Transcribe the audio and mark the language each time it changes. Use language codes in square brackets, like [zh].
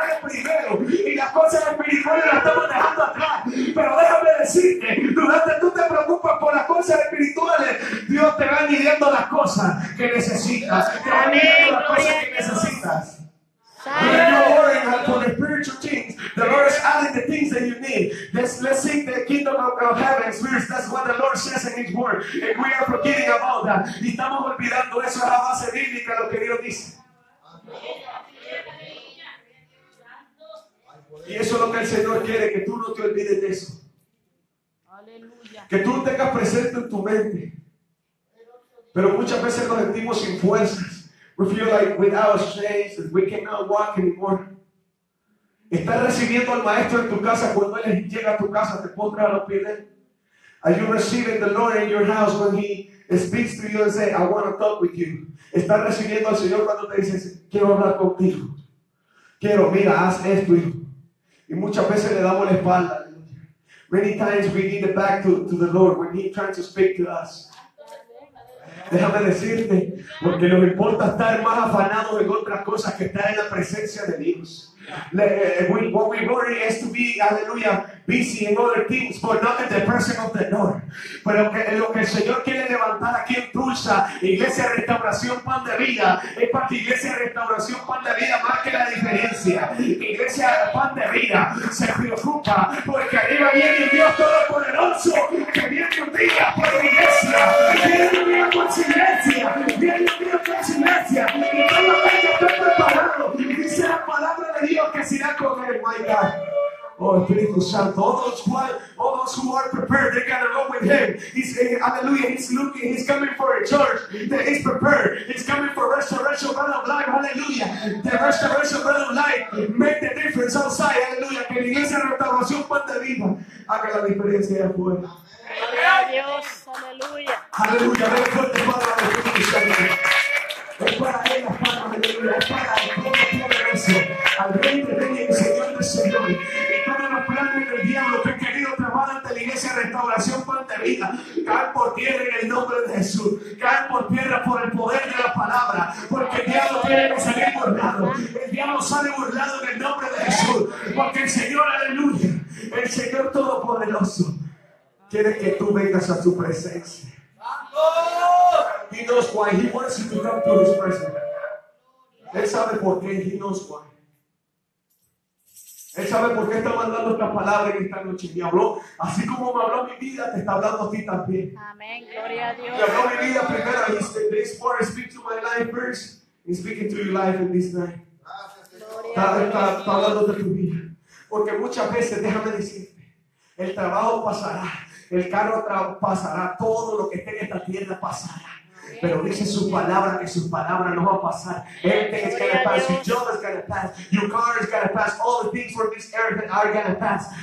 [es] Primero, y las cosas espirituales las estamos dejando atrás. Pero déjame decirte, durante tú te preocupas por las cosas espirituales, Dios te va añadiendo las cosas que necesitas. Te va añadiendo las cosas que necesitas. Amén. [en] No worry for the spiritual things. The Lord is adding having the things that you need. Let's seek the kingdom of heaven, spirits. That's what the Lord says in His word. And we are forgetting about that. [es] Y estamos olvidando eso, la base bíblica, lo que Dios dice. Y eso es lo que el Señor quiere, que tú no te olvides de eso. Aleluya. Que tú lo tengas presente en tu mente. Pero muchas veces nos sentimos sin fuerzas. [en] We feel like without strength, we cannot walk anymore. [es] Estás recibiendo al Maestro en tu casa, cuando Él llega a tu casa, te pondrá a los pies de Él. [en] Are you receiving the Lord in your house when He speaks to you and says, I want to talk with you? [es] Estás recibiendo al Señor cuando te dices, quiero hablar contigo. Quiero, mira, haz esto, hijo. Y muchas veces le damos la espalda. [en] Many times we give it back to the Lord when He trying to speak to us. [es] Déjame decirte, porque nos importa estar más afanados en otras cosas que estar en la presencia de Dios. [en] What we worry is to be, aleluya, busy in other things, but not in the presence of the Lord. [es] Pero lo que el Señor quiere levantar aquí en Tulsa, Iglesia Restauración Pan de Vida, es para que Iglesia Restauración Pan de Vida marque la diferencia. Iglesia Pan de Vida se preocupa porque arriba viene Dios Todopoderoso, que viene un día por la iglesia, viene un día con silencio, viene un día con silencio, y todo lo que está preparado, dice la palabra de Dios que se irá con él, [en] my God. [es] Oh, Espíritu Santo, [en] all those who are prepared, they're going to go with Him. He's, hallelujah, He's looking, He's coming for a church that is prepared. He's coming for restoration, bread of life, hallelujah. The restoration, bread of life, make the difference outside, hallelujah. [es] Que la iglesia de restauración, pan de vida, haga la diferencia de afuera. Gloria a Dios, hallelujah. Hallelujah, ven fuerte, Padre, al Espíritu Santo. Es para Él, hallelujah, es para Él. Al Rey de Reyes y Señor de Señores, y todos los planes del diablo que han querido trabajar ante la iglesia de restauración por tu vida, caen por tierra en el nombre de Jesús, caen por tierra por el poder de la palabra, porque el diablo tiene que salir burlado, el diablo sale burlado en el nombre de Jesús, porque el Señor, aleluya, el Señor Todopoderoso quiere que tú vengas a su presencia. [en] He knows why He wants you to come to His presence. [es] Él sabe por qué. [en] He knows why. [es] Él sabe por qué está mandando esta palabra en esta noche. Me habló, así como me habló mi vida, te está hablando a ti también. Amén, gloria a Dios. Me habló mi vida primero. [en] He said, this word speaks to my life first. He's speaking to your life in this night. [es] Gloria a Dios. Está hablando de tu vida. Porque muchas veces, déjame decirte, el trabajo pasará, el carro pasará, todo lo que esté en esta tierra pasará. Pero dice su palabra que su palabra no va a pasar. [en] Everything is gonna pass. Your job is gonna pass. Your car is gonna pass. All the things from this earth are gonna pass.